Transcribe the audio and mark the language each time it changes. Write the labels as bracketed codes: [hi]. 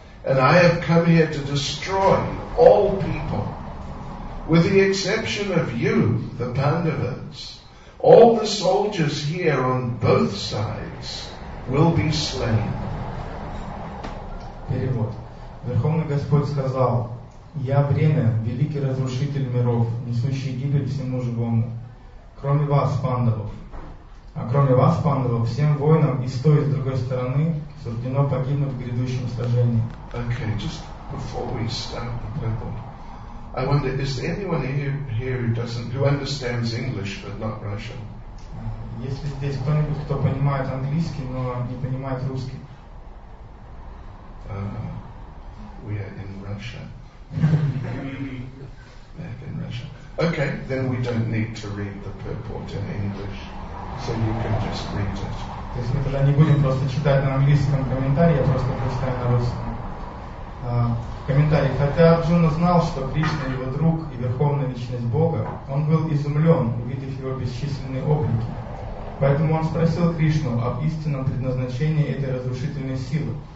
[en] And I have come here to destroy all people, with the exception of you, the Pandavas. All the soldiers here on both sides will be slain. [ru] Перевод. Верховный Господь сказал: Я бремя, великий разрушитель миров, несущий гибель всему живому. Кроме вас, Пандавов. А кроме вас, Пандавов, всем воинам и с той, и с другой стороны суждено погибнуть в грядущем сражении. [en] Okay, just before we start the purple. I wonder, is there anyone here who understands English but not Russian? [ru] Если здесь кто-нибудь, кто понимает английский, но не понимает русский? [en] We are in Russia. Back in Russia. Okay, then we don't need to read the purport in English, so you can just read it. [ru] То есть мы тогда не будем просто читать на английском комментарии, а просто прочитаем на русском. Комментарий. Хотя Арджуна знал, что Кришна его друг и верховная личность Бога, он был изумлен, увидев его бесчисленные облики. Поэтому он спросил Кришну об истинном предназначении этой разрушительной силы.